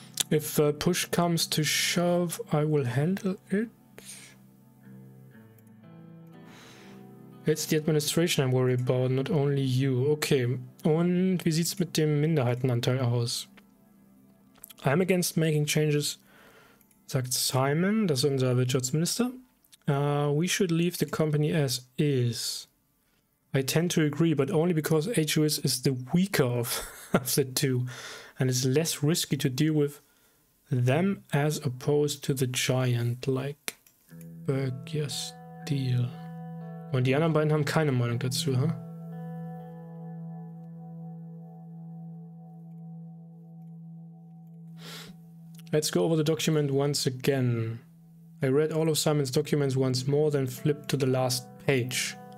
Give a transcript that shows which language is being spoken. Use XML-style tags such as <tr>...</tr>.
<en>If push comes to shove, I will handle it. It's the administration I'm worried about, not only you.</en> <de>Okay, und wie sieht's mit dem Minderheitenanteil aus?</de> <en>I'm against making changes,</en> <de>sagt Simon, das ist unser Wirtschaftsminister.</de> <en>We should leave the company as is. I tend to agree, but only because HOS is the weaker of the two and is less risky to deal with them as opposed to the giant like Bergia Steel.</en> <de>Und die anderen beiden haben keine Meinung dazu, huh?</de> <en>Let's go over the document once again. I read all of Simon's documents once more, then flipped to the last page.</en>